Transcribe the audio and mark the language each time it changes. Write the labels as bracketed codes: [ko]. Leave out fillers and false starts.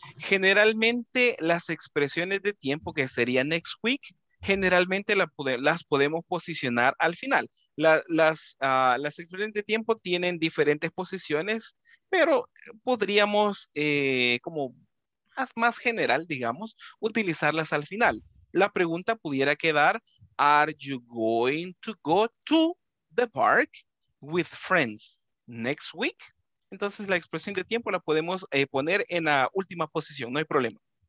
[es] Generalmente las expresiones de tiempo que sería [en] next week, [es] generalmente las podemos posicionar al final. Las expresiones de tiempo tienen diferentes posiciones, pero podríamos, como más general, digamos, utilizarlas al final. La pregunta pudiera quedar, [en] are you going to go to the park with friends next week? [es] Entonces, la expresión de tiempo la podemos poner en la última posición, no hay problema.